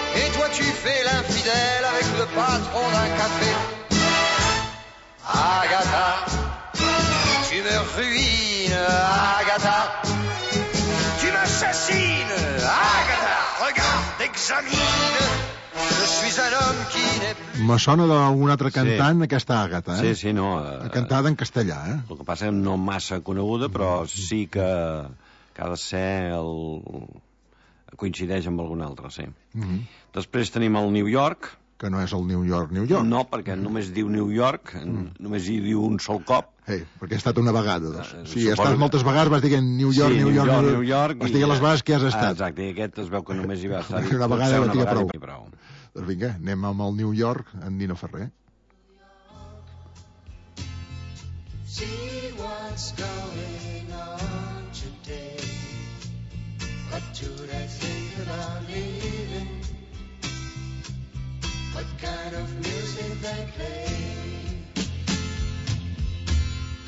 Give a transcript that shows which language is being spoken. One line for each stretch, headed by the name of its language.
French: Et toi tu fais l'infidèle avec le patron d'un café. Agatha, tu me ruines, Agatha. Tu m'assassines, Agatha. Regarde, examine. Je suis un homme qui n'est...
Catalan: Me sona d'algun altre cantant, sí. Aquesta Àgata, eh? Sí, sí, no... Cantada en castellà, eh? El que passa és no massa coneguda, però sí que ha de ser el... coincideix amb algun altre, sí. Després tenim el New York... Que no és el New York, New York. No, perquè només diu New York, només hi diu un sol cop. Perquè ha estat una vegada, doncs. Sí, suposo... estàs moltes vegades, vas dient New York, sí, New York, York, New York... Vas dir a les vegades que has estat. Exacte, i aquest es veu que només hi va estar. Una vegada, una vegada prou. I prou. Doncs vinga, anem amb el New York, en Nino Ferrer.
English: See what's going on today. What should I think about leaving? What kind of music they play?